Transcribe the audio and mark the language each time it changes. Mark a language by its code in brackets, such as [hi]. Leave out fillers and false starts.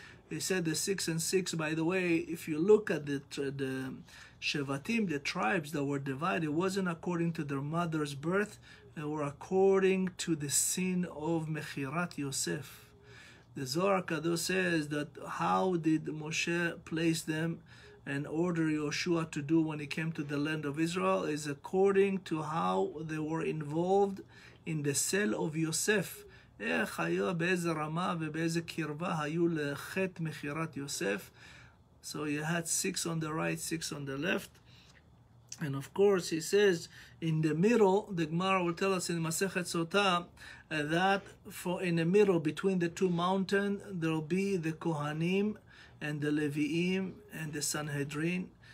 [en] It said the 6 and 6, by the way, if you look at the Shevatim, the tribes that were divided, it wasn't according to their mother's birth, they were according to the sin of Mechirat Yosef. The Zohar HaKadosh says that how did Moshe place them and order Yoshua to do when he came to the land of Israel is according to how they were involved in the cell of Yosef. [he] איך היו, באיזה רמה ובאיזה קרבה היו לחטא מכירת יוסף. [en] So you had six on the right, six on the left. And of course, he says, in the middle, the Gemara will tell us in Masechet Sota, that for in the middle, between the two mountains, there will be the Kohanim and the Leviim and the Sanhedrin.